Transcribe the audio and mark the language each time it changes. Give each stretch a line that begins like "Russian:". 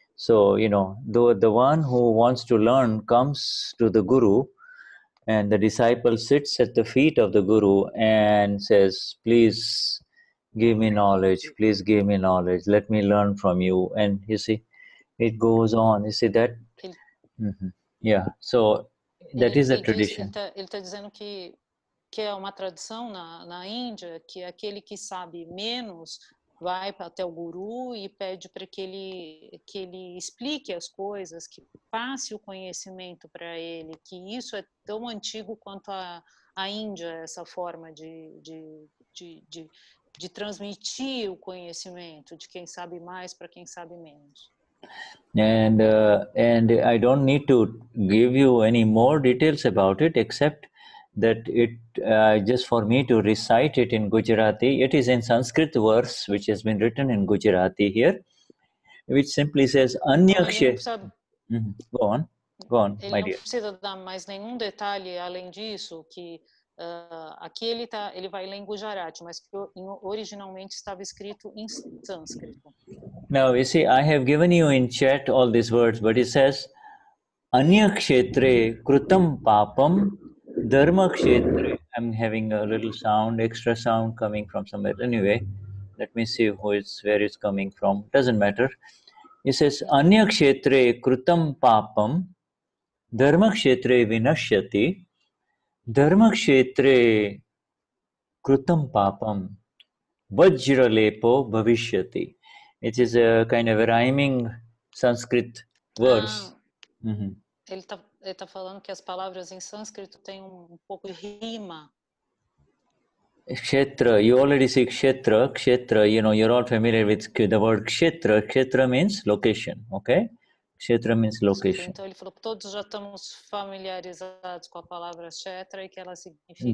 English: So, you know, the one who wants to learn comes to the guru, and the disciple sits at the feet of the guru and says, please, give me knowledge, please give me knowledge, let me learn from you. And you see, it goes on, you see that? Yeah, so that is a tradition.
Portuguese: Ele está dizendo que é uma tradição na Índia, que aquele que sabe menos vai até o guru e pede para que ele explique as coisas, que passe o conhecimento para ele, que isso é tão antigo quanto a Índia, essa forma de transmitir o conhecimento de quem sabe mais para quem sabe menos.
English: And I don't need to give you any more details about it, except that it, just for me to recite it in Gujarati, it is in Sanskrit verse, which has been written in Gujarati here, which simply says, Anyakshe... Go on, my dear.
Portuguese: Ele não precisa dar mais nenhum detalhe além disso, que... aqui ele vai ler em Gujarati, mas que originalmente estava escrito em sânscrito.
English: Now, you see, I have given you in chat all these words, but it says,
Sanskrit: Anyakshetre krutam papam dharmakshetre.
English: I'm having a little sound, extra sound coming from somewhere. Anyway, let me see where it's coming from. Doesn't matter. It says,
Sanskrit: Anyakshetre krutam papam dharmakshetre vinashyati. Dharma kshetre krutam papam vajra lepo bhavishyati.
English: It is a kind of a rhyming Sanskrit verse.
Portuguese: Ele tá falando que as palavras em sânscrito têm um pouco de rima.
English: Kshetra, you already see kshetra. Kshetra, you know, you're all familiar with the word kshetra. Kshetra means location, okay? Kshetra means location.
Portuguese: Então ele falou que todos já estamos familiarizados com a palavra kshetra e que ela significa